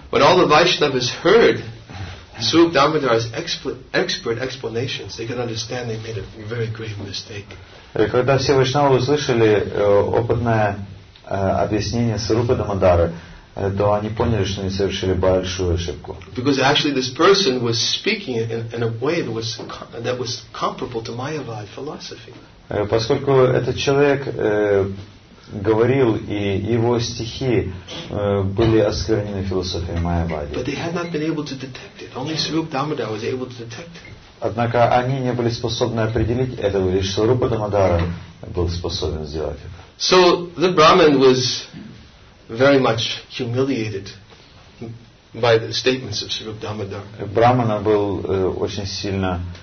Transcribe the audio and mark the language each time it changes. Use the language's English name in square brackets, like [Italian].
[English] When all the Vaishnavas heard Swarup Damodara's expert explanations, they could understand they made a very grave mistake. [Russian] И когда все Вайшнавы услышали опытное объяснение Сурупы Дамодары, то они поняли, что они совершили большую ошибку. [English] Because actually this person was speaking in a way that was comparable to Mayavada philosophy. [Russian] Поскольку этот человек говорил, и его стихи были осквернены философией Майявады. [English] But they had not been able to detect it. Only Swarup Damodara was able to detect it. [Russian] Однако они не были способны определить этого, лишь Сурупа Дамодара был способен сделать это. [English] So the Brahmin was very much humiliated by the statements of Swarup Damodara. [Russian] Брахмана был очень сильно